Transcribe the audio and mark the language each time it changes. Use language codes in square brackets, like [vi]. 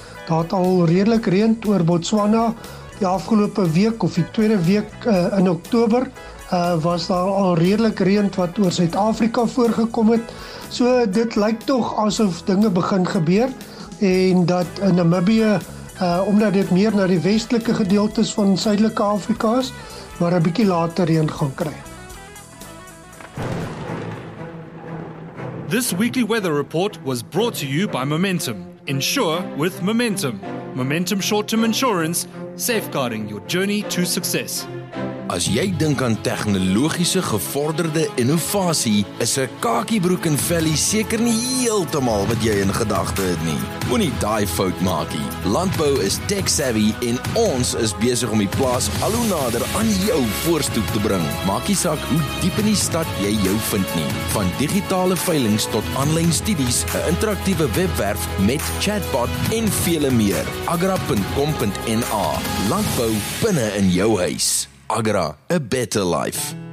[af] Daar het al redelik reën oor Botswana die afgelope week of die tweede week in Oktober was daar al redelik reën wat oor Suid-Afrika voorgekom het. So dit lyk tog asof dinge begin gebeur en dat in Namibië, omdat dit meer na die westelike gedeeltes van Suidelike Afrika is, maar 'n bietjie later reën gaan kry. [en] This weekly weather report was brought to you by Momentum. Insure with Momentum. Momentum short-term insurance, safeguarding your journey to success. [af] As jy dink aan tegnologiese gevorderde innovasie, is 'n kakiebroek en velle seker nie heeltemal wat jy in gedagte het nie. Moenie daai fout maak nie. Landbou is tech-savvy en ons is besig om die plaas al hoe nader aan jou voorstoep te bring. Maak nie saak hoe diep in die stad jy jou vind nie. Van digitale veilinge tot aanlyn studies, 'n interaktiewe webwerf met chatbot en vele meer. agra.com.na. Landbou binne in jou huis. [en] Agra, a better life.